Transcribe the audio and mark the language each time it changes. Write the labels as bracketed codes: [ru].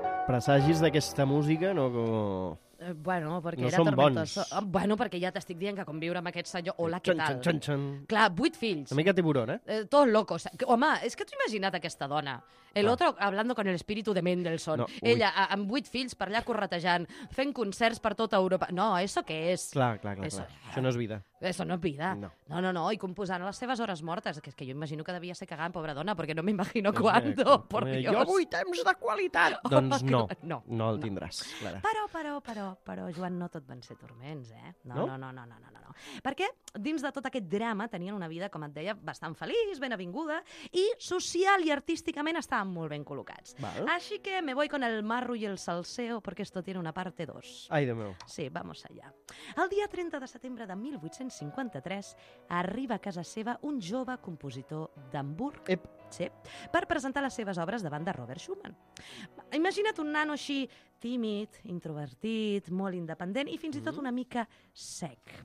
[ca] Presagis d'aquesta música, no? Bueno, perquè no era són bons. Bueno, perquè ja t'estic dient que conviure amb aquest senyor... Hola, què tal? Chon, chon. Clar, 8 fills. Una mica tiburón, eh? [es] Todos locos. [ca] Home, és que t'ho imaginat aquesta dona. [es] El otro hablando con el espíritu de Mendelssohn. [ca] No, ella amb 8 fills per allà corretejant, fent concerts per tota Europa. [es] No, ¿eso qué es? [ca] Clar, clar, clar. Això no és vida. [es] Eso no es vida. No. [ca] No, no, no. I composant les seves hores mortes. Que és que jo imagino que devia ser cagant, pobra dona, perquè no m'imagino [es] cuándo, por Dios. [ca] Jo vull temps de qualitat. Doncs no. No, no el tindràs, Clara. Però, Joan, no tot van ser turments, eh? No. Perquè dins de tot aquest drama tenien una vida, com et deia, bastant feliç, ben avinguda, i social i artísticament estaven molt ben col·locats. Val. Així que [es] me voy con el marro y el salseo, perquè esto tiene una parte 2. [ca] Ai, Déu meu. [es] Sí, vamos allá. [ca] El dia 30 de setembre de 1853 arriba a casa seva un jove compositor d'Hamburg. Ep. Sí, per presentar les seves obres davant de Robert Schumann. Imagina't un nano així tímid, introvertit, molt independent i fins i tot una mica sec.